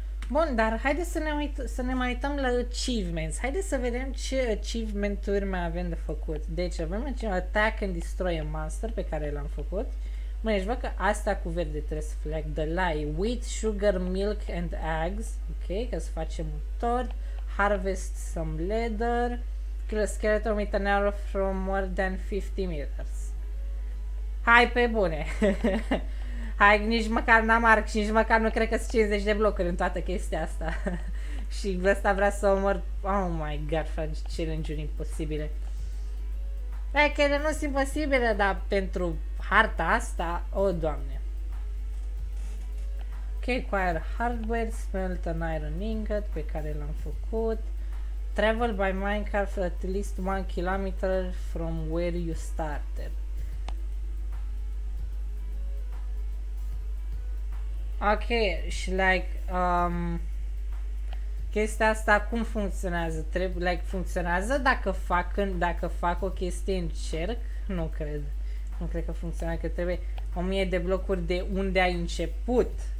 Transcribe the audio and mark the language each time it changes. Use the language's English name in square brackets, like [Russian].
[Romanian] Bun, dar haide să ne mai uităm la achievements. Haide să vedem ce achievement-uri mai avem de făcut. Deci avem un [English] attack and destroy a monster [Romanian] pe care l-am făcut. Măi, deci văd că asta cu verde trebuie să [English] flag the lie. Wheat, sugar, milk and eggs. [Romanian] Ok, ca să facem un tort. [English] Harvest some leather. Kill a skeleton with an arrow from more than 50 meters. [Romanian] Hai pe bune! Hai, nici măcar n-am arc și nici măcar nu cred că sunt 50 de blocuri în toată chestia asta. Și ăsta vrea să omor... [English] Oh my god, [Romanian] frate, challenge-uri imposibile. Da, chiar nu sunt imposibile, dar pentru harta asta, oh, doamne. [English] Ok, acquire hardware, smelt an iron ingot [Romanian] pe care l-am făcut. [English] Travel by minecart for at least 1 km from where you started. [Romanian] Ok, și like, chestia asta cum funcționează? Trebuie, like, funcționează dacă fac o chestie în cerc? Nu cred. Nu cred că funcționează, că trebuie 1000 de blocuri de unde ai început.